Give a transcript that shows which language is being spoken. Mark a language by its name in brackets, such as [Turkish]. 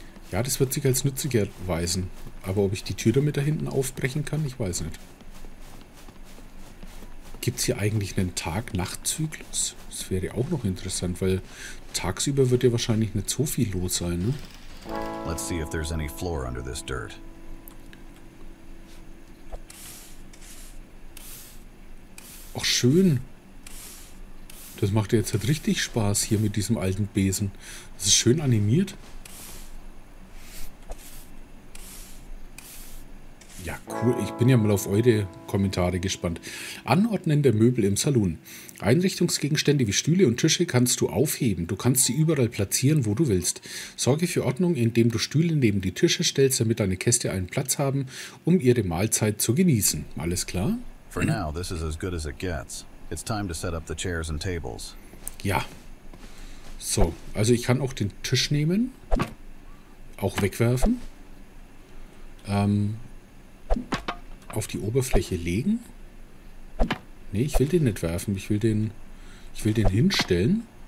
[German] Ja, das wird sich als nützlich erweisen. Aber ob ich die Tür damit da hinten aufbrechen kann, ich weiß nicht. Gibt es hier eigentlich einen Tag-Nacht-Zyklus? Das wäre auch noch interessant, weil tagsüber wird ja wahrscheinlich nicht so viel los sein. Ne? [English] Let's see if there's any floor under this dirt. [German] Ach, schön. Das macht jetzt halt richtig Spaß hier mit diesem alten Besen. Das ist schön animiert. Ja, cool. cool. Ich bin ja mal auf eure Kommentare gespannt. Anordnen der Möbel im Salon. Einrichtungsgegenstände wie Stühle und Tische kannst du aufheben. Du kannst sie überall platzieren, wo du willst. Sorge für Ordnung, indem du Stühle neben die Tische stellst, damit deine Gäste einen Platz haben, um ihre Mahlzeit zu genießen. Alles klar? [English] For now, this is as good as it gets. It's time to set up the chairs and tables. [German] Ja. So, also ich kann auch den Tisch nehmen. Auch wegwerfen. Auf die Oberfläche legen. Nee, ich will den nicht werfen. Ich will den hinstellen.